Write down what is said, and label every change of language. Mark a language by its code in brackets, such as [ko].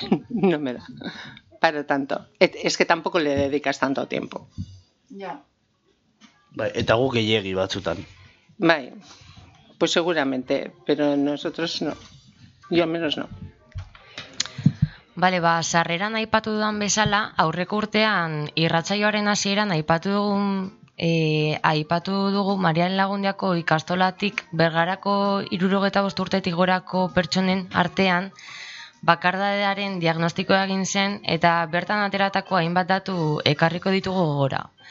[es] No me da para tanto. Es que tampoco le dedicas tanto tiempo. Ya. [eu] Bai, eta guk gehiegi batzutan. Bai. [es] Pues seguramente, pero nosotros no. Yo al menos no. [eu] Vale, ba, sarreran aipatu dudan bezala, aurreko urtean irratsaioaren hasieran aipatu dugun aipatu dugu Marian Lagundiako ikastolatik Bergarako 65 urtetik gorako pertsonen artean bakardadearen diagnostikoa egin zen eta bertan ateratako hainbat datu ekarriko ditugu gogora.